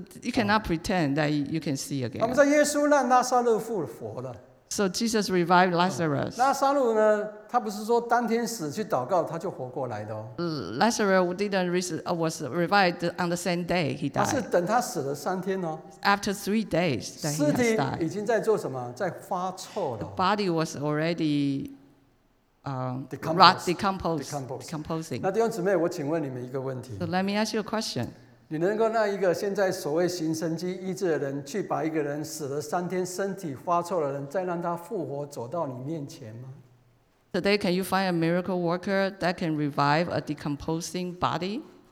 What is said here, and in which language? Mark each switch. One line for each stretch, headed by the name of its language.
English: But you cannot pretend that you can see again.
Chinese: 我们说耶稣让拉撒勒复活了。
English: So Jesus revived Lazarus.
Chinese: 拉撒勒呢？他不是说当天死去祷告他就活过来的哦。
English: Lazarus was revived on the same day he died.
Chinese: 他是等他死了三天哦。
English: After 3 days, that he died.
Chinese: 尸体已经在做什么？在发臭了。
English: The body was already decomposing.
Chinese: 那弟兄姊妹，我请问你们一个问题。
English: So let me ask you a question.
Chinese: 你能够让一个现在所谓行神迹医治的人去把一个人死了三天身体发臭的人再让他复活走到你面前吗
English: Today can you find a miracle worker that can revive a decomposing body?